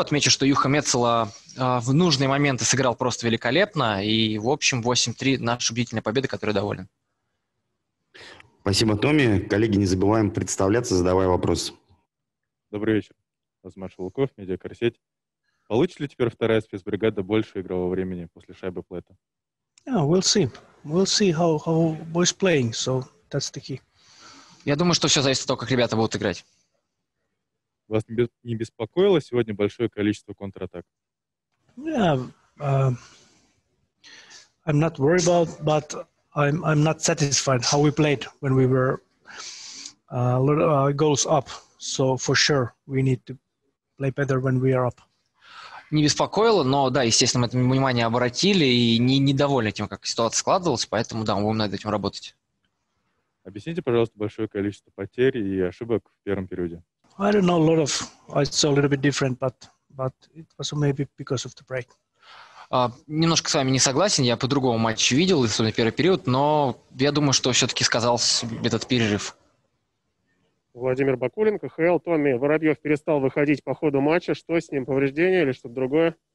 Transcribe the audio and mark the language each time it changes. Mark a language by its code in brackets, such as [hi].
[ru] Отмечу, что Юха Мецела в нужные моменты сыграл просто великолепно, и в общем 8-3 наша убедительная победа, которой доволен. Спасибо, Томми. Коллеги, не забываем представляться, задавая вопрос. Добрый вечер. Вас Маша Луков, Медиакорсеть. Получит ли теперь вторая спецбригада больше игрового времени после шайбы Плэта? [en] Yeah, we'll see. We'll see how boys playing, so that's the key. [ru] Я думаю, что все зависит от того, как ребята будут играть. Вас не беспокоило сегодня большое количество контратак? [en] Yeah, I'm not worried about, but I'm not satisfied how we played when we were goals up. So for sure we need to play better when we are up. [ru] Не беспокоило, но да, естественно, мы это внимание обратили и недовольны тем, как ситуация складывалась, поэтому да, мы будем над этим работать. Объясните, пожалуйста, большое количество потерь и ошибок в первом периоде. [en] I don't know a lot of. I saw a little bit different, but it was maybe because of the break. [ru] Немножко с вами не согласен. Я по-другому матч видел, особенно первый период, но я думаю, что все-таки сказался этот перерыв. Владимир Бакуленко, ХЛ. Томми, Воробьев перестал выходить по ходу матча. Что с ним? Повреждение или что-то другое?